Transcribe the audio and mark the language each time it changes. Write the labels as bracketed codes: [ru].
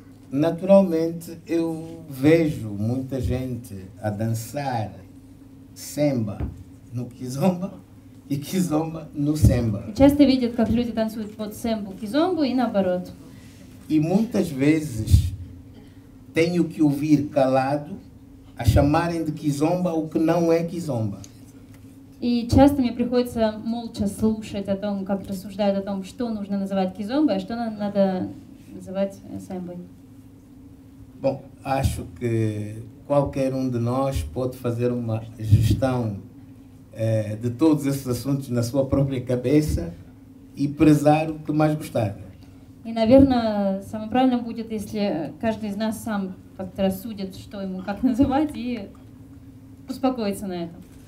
[pt] Naturalmente eu vejo muita gente a dançar semba no kizomba. [ru] И кизомба, ну сэмба. Часто видят, как люди танцуют под сэмбу, кизомбу и наоборот. [pt] И muitas vezes tenho que ouvir calado a chamarem de кизомба o que não é кизомба. [ru] И часто мне приходится молча слушать о том, как рассуждают о том, что нужно называть кизомбой, а что надо называть сэмбой. [pt] Bom, acho que qualquer de nós pode fazer uma gestão de todos esses assuntos na sua própria cabeça e prezar o que mais gostar. [ru] E, наверное, самое правильное будет, если каждый из нас сам как-то рассудит, что ему как называть, и успокоиться на этом.